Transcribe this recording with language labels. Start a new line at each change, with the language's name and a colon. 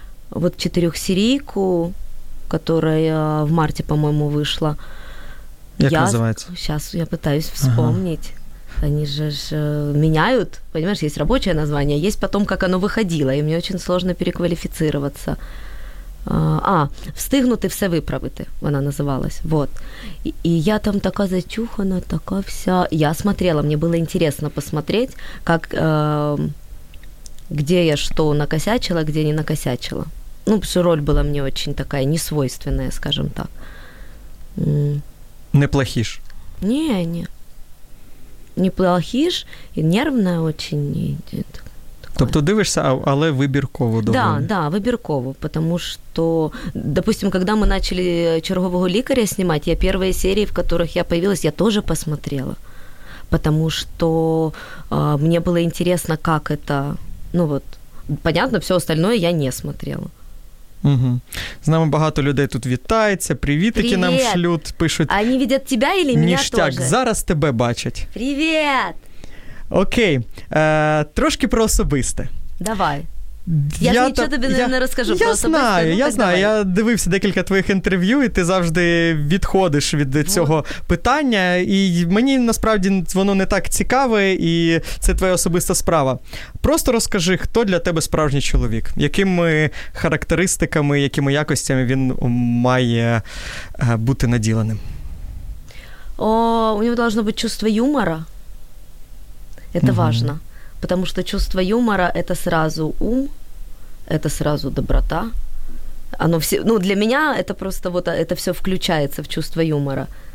Russian: Вот четырехсерийку, которая в марте, по-моему, вышла. Как называется? Сейчас я пытаюсь вспомнить. Ага. Они же меняют, понимаешь, есть рабочее название, есть потом, как оно выходило, и мне очень сложно переквалифицироваться.
Ukrainian: «Встигнути все виправити», вона називалась, вот. И я там така зачухана, така вся...
Russian: Я смотрела, мне было интересно посмотреть, как, где я что накосячила, где не накосячила. Ну, потому что роль была мне очень такая несвойственная, скажем так. Не плохиш?
Ukrainian: Не. Неплохиш, і нервна очень. Тобто дивишся, але вибірково доволі.
Russian: Да, вибірково, потому что, допустим, когда мы начали «Чергового лікаря» снимать, я первые серии, в которых я появилась, я тоже посмотрела, потому что мне было интересно, как это, ну вот, понятно, все остальное я не смотрела. Угу.
Ukrainian: З нами багато людей тут вітається. Привітики нам шлють, пишуть. А вони видять тебе чи мене теж? Ніштяк, зараз тебе бачать. Привіт! Окей, трошки про особисте. Давай. Я нічого тобі не розкажу про особисте. Я знаю. Я дивився декілька твоїх інтерв'ю, і ти завжди відходиш від цього питання. І мені, насправді, воно не так цікаве, і це твоя особиста справа. Просто розкажи, хто для тебе справжній чоловік? Якими характеристиками, якими якостями він має бути наділеним? У нього повинно бути
Russian: чувство юмора.
Ukrainian: Це важливо.
Russian: Потому что чувство юмора – это сразу ум, это сразу доброта. Оно все, ну, для меня это просто вот это все включается в чувство юмора.